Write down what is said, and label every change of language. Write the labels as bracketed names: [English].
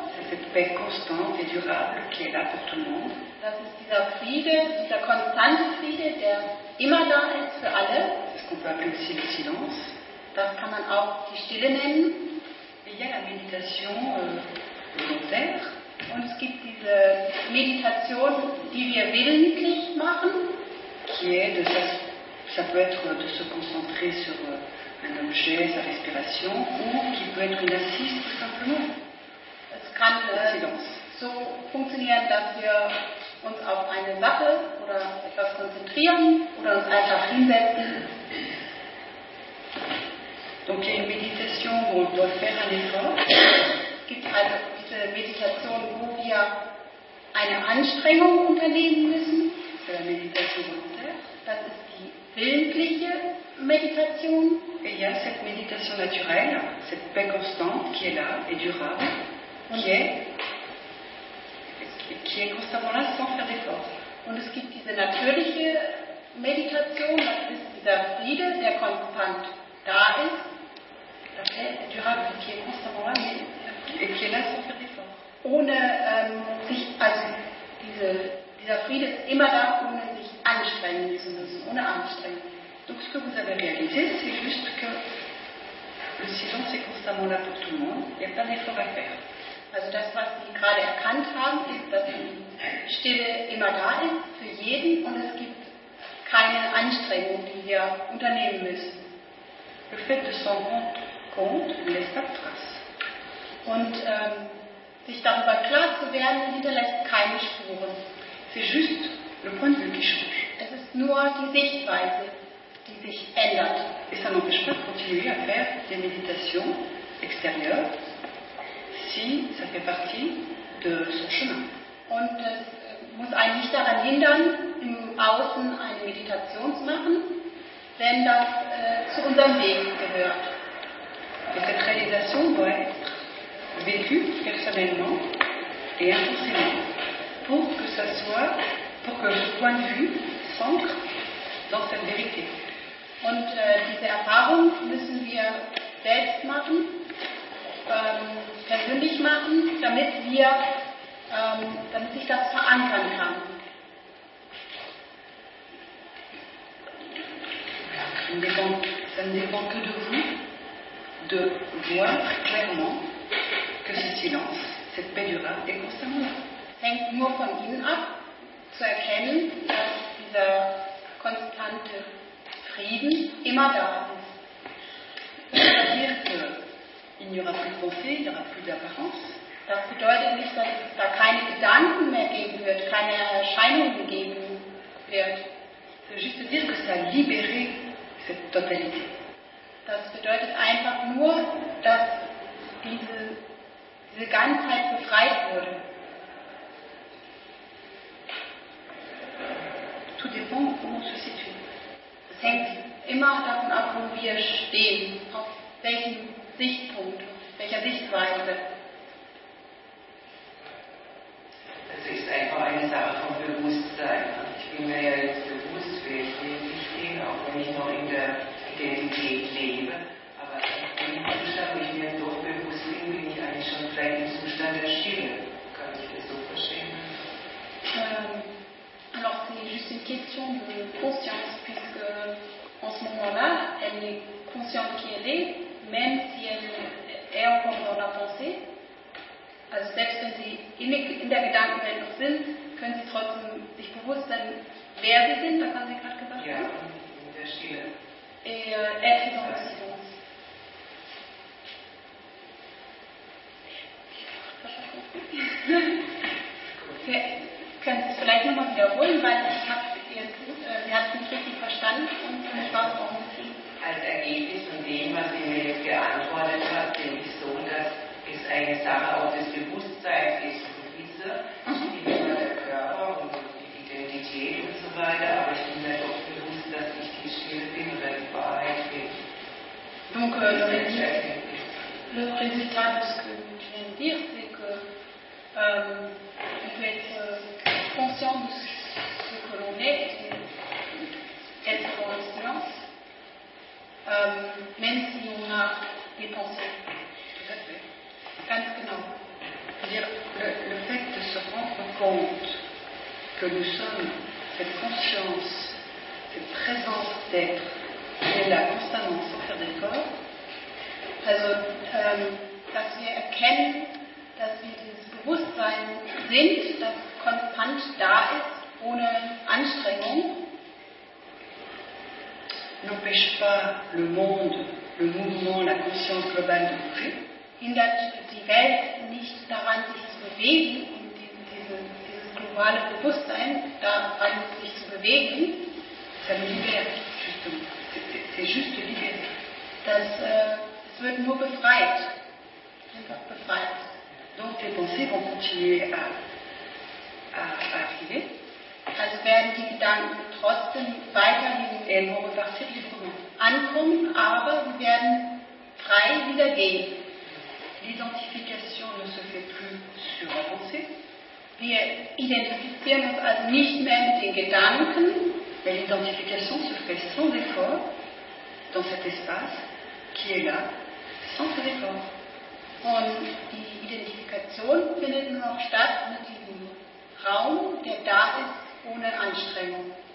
[French] C'est cette paix constante et durable qui est là pour tout le monde. [German] Das ist dieser Friede, dieser konstante Friede, der immer da ist für alle. [French] C'est ce qu'on peut appeler aussi le silence. [German] Das kann man auch die Stille nennen. [French] Il y a la méditation volontaire. [German] Und es gibt diese Meditation, die wir willentlich machen. [French] Qui est de ça peut être de se concentrer sur un objet, sa respiration, ou qui peut être une assise tout simplement. [German] Es kann so funktionieren, dass wir uns auf eine Sache oder etwas konzentrieren oder uns einfach hinsetzen. [French] Donc il y a une méditation où on doit faire un effort. [German] Gibt also diese Meditation, wo wir eine Anstrengung unternehmen müssen. [French] C'est la méditation volontaire. [German] Das ist die willentliche Meditation. [French] Et il y a cette méditation naturelle, cette paix constante qui est là et durable, qui est constamment là sans faire d'effort. [German] Und es gibt diese natürliche Meditation, das ist dieser Friede, der konstant da ist. [French] La paix durable qui est constamment là, mais et qui est là sans faire d'effort. [German] Ohne sich, also dieser Friede ist immer da, ohne sich anstrengen zu müssen, ohne Anstrengung. [French] Donc ce que vous avez réalisé, c'est juste que le silence est constamment là pour tout le monde, il n'y a pas d'effort à faire. [German] Also das, was Sie gerade erkannt haben, ist, dass die Stille immer da ist, für jeden, und es gibt keine Anstrengung, die wir unternehmen müssen. [French] Le fait de s'en rendre compte laisse pas de trace. [German] Und sich darüber klar zu werden, hinterlässt keine Spuren. [French] C'est juste le point de vue qui change. [German] Es ist nur die Sichtweise, die sich ändert. [French] Et ça n'empêche pas de continuer à faire des méditations extérieures si ça fait partie de son chemin. [German] Und es muss einen nicht daran hindern, im Außen eine Meditation zu machen, wenn das zu unserem Weg gehört. [French] Et cette réalisation doit être vécue personnellement et intensément pour que ça soit, pour que ce point de vue s'ancre dans cette vérité. [German] Und diese Erfahrung müssen wir selbst machen, persönlich machen, damit wir, damit sich das verankern kann. [French] Ça ne dépend que de vous, de voir clairement que ce silence, cette paix du rat, est constamment là. [German] Hängt nur von Ihnen ab, zu erkennen, dass dieser konstante Frieden immer da ist. [French] Il n'y aura plus de pensée, il n'y aura plus d'apparence. [German] Das bedeutet nicht, dass es da keine Gedanken mehr geben wird, keine Erscheinungen geben wird. [French] Ça veut juste dire que ça a libéré cette totalité. [German] Das bedeutet einfach nur, dass diese Ganzheit befreit wurde. [French] Tout dépend, comment on se situe. [German] Es hängt immer davon ab, wo wir stehen, auf welchem Sichtpunkt, auf welcher Sichtweise. Es ist einfach eine Sache vom Bewusstsein. Ich bin mir ja jetzt bewusst, wer ich wirklich bin, auch wenn ich noch in der Identität lebe. Aber in dem Zustand, wo ich mir doch bewusst bin, bin ich eigentlich schon vielleicht im Zustand der Stille. Kann ich das so verstehen? [French] Alors c'est juste une question de conscience, puisque en ce moment-là, elle est consciente qui elle est, même si elle est encore dans la pensée. [German] Also selbst wenn sie in der Gedankenwelt noch sind, können sie trotzdem sich bewusst sein, wer sie sind, das haben sie gerade gesagt. Ja, in der Stille. [French] Et être dans la conscience. [German] Okay. Können Sie es vielleicht nochmal wiederholen, weil ich habe es nicht richtig verstanden und ich war auch ein bisschen. Als Ergebnis von dem, was Sie mir jetzt geantwortet haben, denke ich so, dass es eine Sache auch des Bewusstseins ist, zu wissen, wie immer der Körper und die Identität und so weiter, aber ich bin mir doch bewusst, dass ich die Stille bin oder die Wahrheit bin. [French] Donc, le résultat de ce que je viens de dire, c'est que. On peut être conscient de ce que l'on est et être dans le silence, même si on a des pensées. Tout à fait. [German] Ganz genau. [French] C'est-à-dire le fait de se rendre compte que nous sommes cette conscience, cette présence d'être, et la constamment sortir des corps. [German] Also, dass wir erkennen, dass wir dieses Bewusstsein sind, das konstant da ist, ohne Anstrengung. [French] N'empêche pas le monde, le mouvement, la conscience globale de bouger. [German] Hindert die Welt nicht daran, sich zu bewegen, und dieses globale Bewusstsein daran, sich zu bewegen. [French] Ça me libère, justement. C'est juste libéré. [German] Es wird nur befreit. Einfach befreit. [French] Donc tes pensées vont continuer à arriver. [German] Also werden die Gedanken trotzdem weiterhin ankommen, aber sie werden frei wieder gehen. [French] L'identification ne se fait plus sur la pensée. [German] Wir identifizieren uns also nicht mehr mit den Gedanken. [French] Mais l'identification se fait sans effort dans cet espace qui est là, sans cet effort. [German] Und die Identifikation findet nur noch statt mit diesem Raum, der da ist, ohne Anstrengung.